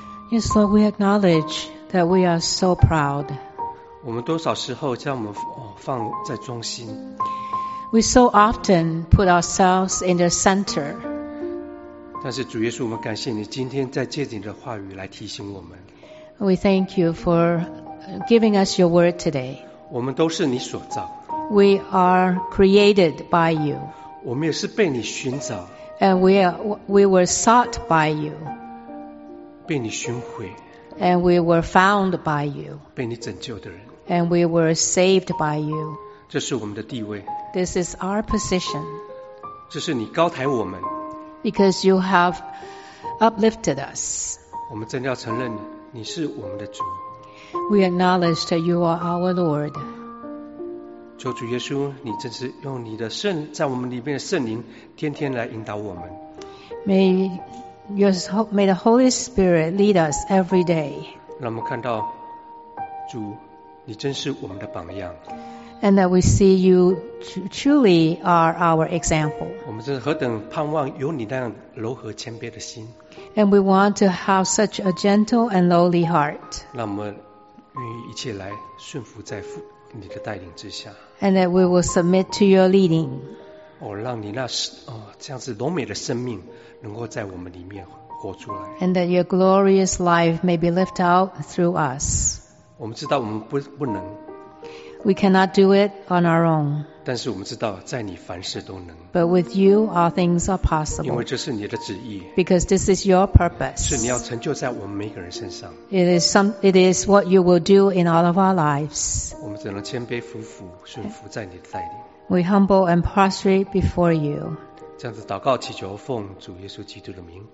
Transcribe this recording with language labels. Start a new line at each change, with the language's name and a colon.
English: Yes, Lord, we acknowledge that we are so proud.
Chinese: 我们多少时候将我们放在中心。
English: We so often put ourselves in the center.
Chinese: 但是主耶稣，我们感谢你今天在借着你的话语来提醒我们。
English: We thank you for giving us your word today.
Chinese: 我们都是你所造。
English: We are created by you.
Chinese: 我们也是被你寻找。
English: And we were sought by you.
Chinese: 被你寻回
English: And we were found by you.
Chinese: 被你拯救的人
English: And we were saved by you.
Chinese: 这是我们的地位
English: This is our position.
Chinese: 这是你高抬我们
English: Because you have uplifted us.
Chinese: 我们真要承认你是我们的主
English: We acknowledge that you are our Lord.
Chinese: 求主耶稣，你真是用你的圣在我们里面的圣灵天天来引导我们
English: May the Holy Spirit lead us every day.
Chinese: 让我们看到主，你真是我们的榜样。
English: And that we see you truly are our example.
Chinese: 我们真是何等盼望有你那样柔和谦卑的心。
English: And we want to have such a gentle and lowly heart.
Chinese: 让我们愿意一切来顺服在你的带领之下。
English: And that we will submit to your leading.
Chinese: 让你那这样子柔美的生命能够在我们里面活出来
English: And that your glorious life may be lived out through us
Chinese: 我们知道我们 不能
English: We cannot do it on our own
Chinese: 但是我们知道在你凡事都能
English: But with you all things are possible
Chinese: 因为这是你的旨意
English: Because this is your purpose
Chinese: 是你要成就在我们每个人身上
English: It is what you will do in all of our lives
Chinese: 我们只能谦卑俯伏顺服在你的带领
English: We humble and prostrate before you
Chinese: 这样子祷告祈求奉主耶稣基督的名